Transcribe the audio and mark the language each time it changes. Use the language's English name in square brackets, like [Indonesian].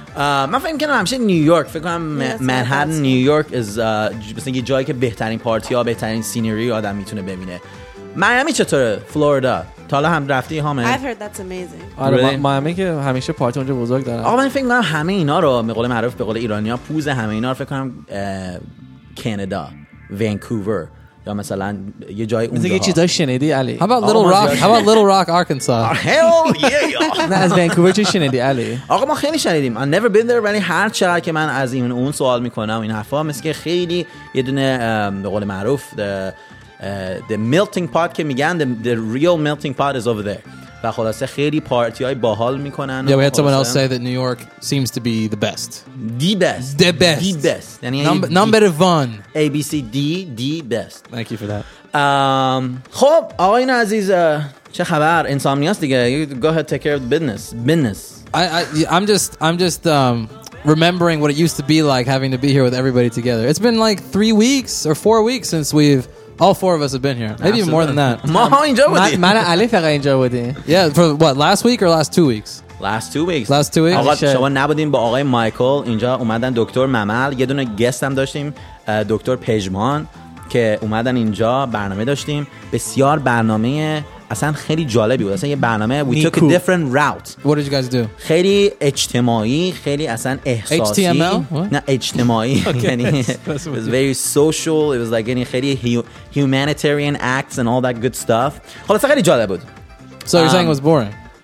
[Persian] من فکر میکنم همیشه نیویورک، فکر کنم منهتن نیویورک از مثلا یه جایی که بهترین پارتی ها بهترین سینری آدم میتونه ببینه. میامی چطوره؟ فلوریدا حالا هم رفتی هامه؟ [English] I've heard that's amazing. [Persian] آره [English] really? [Persian] میامی که همیشه پارتی اونجا بزرگ داره. آقا من فکر میکنم همه اینا رو به قول معروف به قول ایرانی ها پوز همه اینا رو فکر کنم کانادا، ونکوور، یا مثلا یه جای اونجا مثلا یه چیزای شنیدی علی. [English] How about Little Rock How about Little Rock Arkansas Hell yeah [Persian] نه از ونکوور چی شنیدی علی؟ آقا ما خیلی شنیدیم. [English] I've never been there. [Persian] ولی هر چقدر که من از این اون سوال میکنم این حرفا مثل که خیلی یه دونه به قول معروف the melting pot که میگن [English] the real melting pot is over there. [Persian] و خلاصه خیلی پارتی های باحال میکنن. [English] Yeah, we had someone else say that New York seems to be the best. The best. The best. The best. Yani number one. A, B, C, D, the best. Thank you for that. [Persian] خب آقای عزیز چه خبر؟ انسامنیاس دیگه. [English] You go ahead, take care of the business. Business. I'm just remembering what it used to be like having to be here with everybody together. It's been like 3 weeks or 4 weeks since we've All four of us have been here. Maybe even more than that. [Persian] ما اینجا بودیم. من علی فقط اینجا بودیم. [English] Yeah, for what? Last week or last 2 weeks? Last two weeks. [Persian] آقا شما نبودیم با آقای مایکل. اینجا اومدن دکتر ممل. یه دونه گست هم داشتیم. دکتر پژمان که اومدن اینجا برنامه داشتیم. بسیار برنامه اصلا خیلی جالبی بود. اصلا یه برنامه [English] we took a different route. What did you guys do? [Persian] خیلی اجتماعی، خیلی اصلا احساسی. [English] HTML? [Persian] نه اجتماعی. [English] Okay. It was very social. It was like any خیلی humanitarian acts and all that good stuff. [Persian] خلاصه خیلی جالب بود. [English] So you're saying it was boring?